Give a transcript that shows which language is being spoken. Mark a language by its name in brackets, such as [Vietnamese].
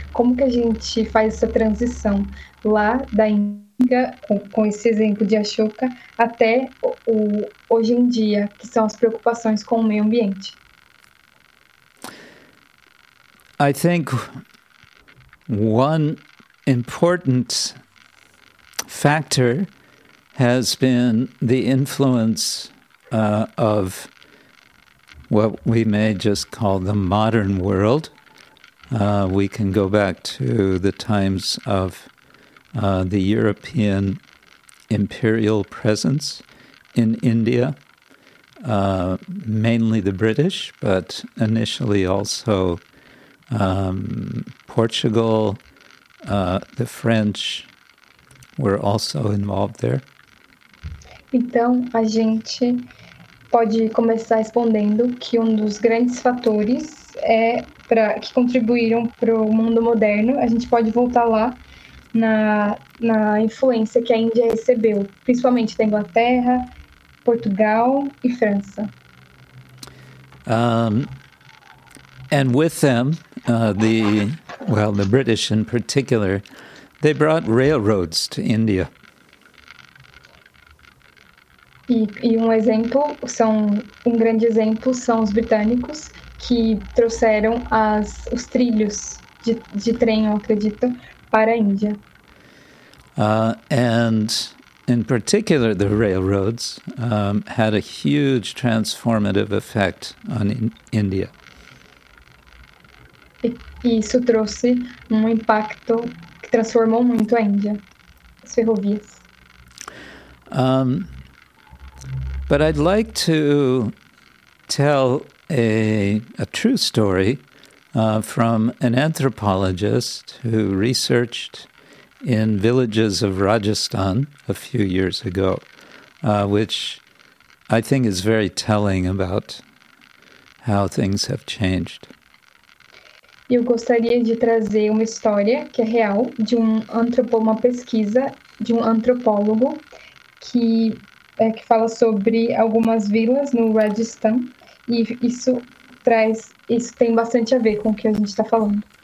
[Portuguese] Como que a gente faz essa transição lá da Índia, com esse exemplo de Ashoka, até o hoje em dia, que são as preocupações com o meio ambiente? [English] I think one important factor has been the influence of what we may just call the modern world. We can go back to the times of the European imperial presence in India, mainly the British, but initially also Portugal, the French were also involved there. [Portuguese] Então, a gente pode começar respondendo que um dos grandes fatores é para que contribuíram para o mundo moderno. A gente pode voltar lá na influência que a Índia recebeu, principalmente da Inglaterra, Portugal e França. [English] And with them, the British in particular, they brought railroads to India. [Portuguese] E um exemplo, um grande exemplo são os britânicos que trouxeram os trilhos de trem, eu acredito, para a Índia. [English] And in particular, the railroads had a huge transformative effect on India. [Portuguese] Isso trouxe um impacto que transformou muito a Índia, as ferrovias. [English] But I'd like to tell a true story from an anthropologist who researched in villages of Rajasthan a few years ago, which I think is very telling about how things have changed. [Portuguese] Eu gostaria de trazer uma história que é real, de uma pesquisa de antropólogo que fala sobre algumas vilas no Rajasthan, e isso tem bastante a ver com o que a gente está falando.